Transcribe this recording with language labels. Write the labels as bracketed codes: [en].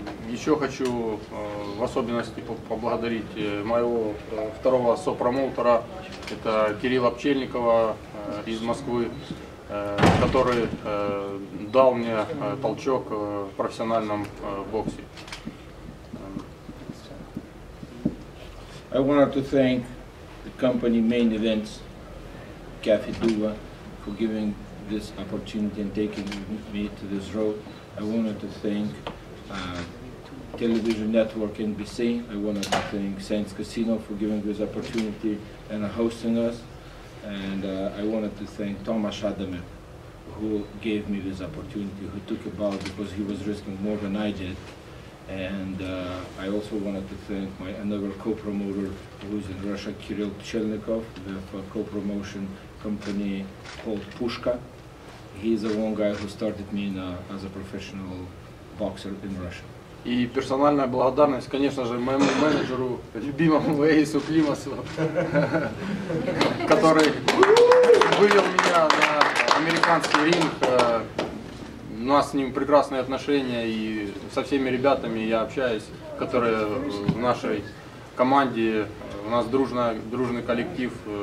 [ru] Еще хочу в особенности поблагодарить моего второго сопромоутера, это Кирилла Пчельникова из Москвы, который дал мне толчок в профессиональном боксе. [en] I wanted to thank the company Main Events, Cafe Duva, for giving this opportunity and taking me to this road. I wanted to thank Television Network NBC. I wanted to thank Sands Casino for giving this opportunity and hosting us. And I wanted to thank Tomasz Adamek, who gave me this opportunity, who took a bout because he was risking more than I did. And I also wanted to thank my another co-promoter who is in Russia, Kirill Chelnikov, the co-promotion company called Pushka. He's the one guy who started me as a professional boxer in Russia. [ru] И персональная благодарность, конечно же, моему менеджеру, любимому Эйсу Климасу, который вывел меня на американский ринг. У нас с ним прекрасные отношения, и со всеми ребятами я общаюсь, которые в нашей команде, у нас дружный коллектив.